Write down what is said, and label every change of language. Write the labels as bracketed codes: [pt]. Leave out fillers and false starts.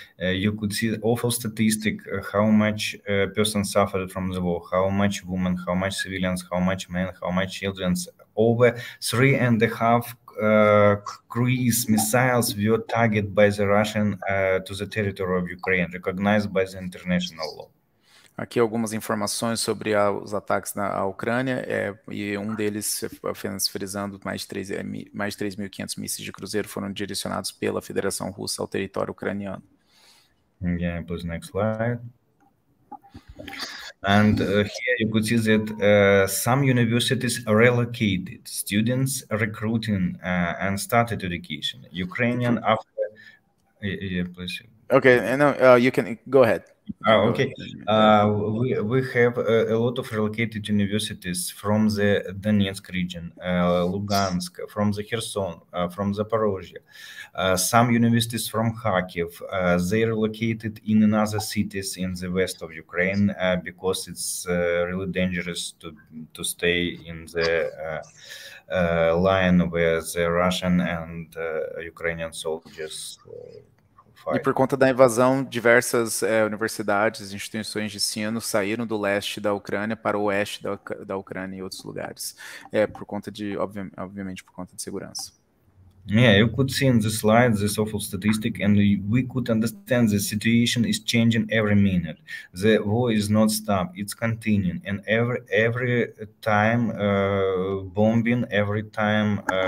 [en] You could see the awful statistic, how much persons suffered from the war, how much women, how much civilians, how much men, how much children. Over 3.5 cruise missiles were targeted by the Russian to the territory of Ukraine, recognized by the international law. [pt] Aqui algumas informações sobre os ataques na Ucrânia, e um deles, apenas frisando, mais de 3.500 mísseis de cruzeiro foram direcionados pela Federação Russa ao território ucraniano. [en] Yeah, please, next slide. And here you could see that some universities relocated students, recruiting and started education. Ukrainian after... Yeah, please. Okay, no, you can go ahead. Okay. We have a lot of relocated universities from the Donetsk region, Lugansk, from the Kherson, from Zaporozhye. Some universities from Kharkiv, they relocated in another cities in the west of Ukraine because it's really dangerous to stay in the line where the Russian and Ukrainian soldiers [pt] E por conta da invasão, diversas universidades, instituições de ensino saíram do leste da Ucrânia para o oeste da Ucrânia e outros lugares. É por conta de, obviamente, por conta de segurança. [en] Yeah, you could see in the slides this awful statistic, and we could understand the situation is changing every minute. The war is not stopped; it's continuing, and every time bombing, every time.